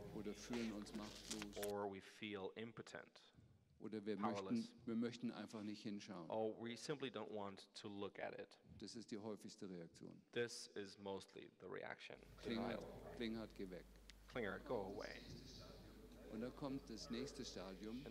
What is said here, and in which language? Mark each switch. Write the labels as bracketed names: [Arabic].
[German] oder fühlen uns machtlos, [English] or we feel impotent, [German] oder wir möchten einfach nicht hinschauen, [English] or we simply don't want to look at it. [German] Das ist die häufigste Reaktion. [English] This is mostly the reaction. [German] Klinghardt, geh weg. [English] Klinger, go away. [German] Und dann kommt das nächste Stadium.